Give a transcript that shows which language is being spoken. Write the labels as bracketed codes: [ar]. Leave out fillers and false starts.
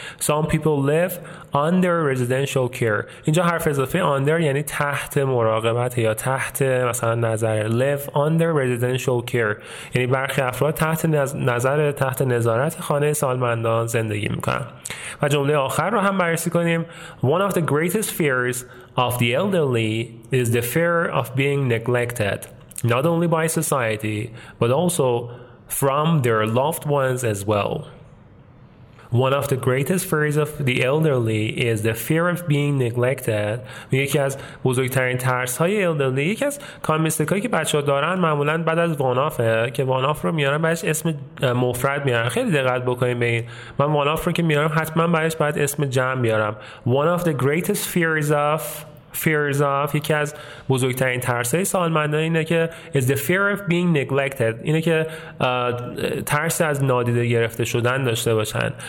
[en] some people live under residential care، [fa] اینجا حرف اضافه under یعنی تحت مراقبت یا تحت مثلا نظر. [en] live under residential care [fa] یعنی برخی افراد تحت نظر، تحت نظارت خانه سالمندان زندگی میکنن. و جمله آخر رو هم بررسی کنیم. [en] one of the greatest fears of the elderly is the fear of being neglected not only by society but also from their loved ones as well. one of the greatest fears of the elderly is the fear of being neglected. [fa] یکی از بزرگترین ترس های elderly، یکی از کامیستک هایی که بچه ها دارن معمولا بعد از وانافه که واناف رو میارن بعدش اسم مفرد میارن. خیلی دقت بکنیم به این، من واناف رو که میارم حتما بعدش بعد اسم جمع میارم. [en] one of the greatest fears of [fa] fears of، یکی از بزرگترین ترسای سالمندان اینه که [en] is the fear of being neglected، [fa] اینه که ترس از نادیده گرفته شدن داشته باشن.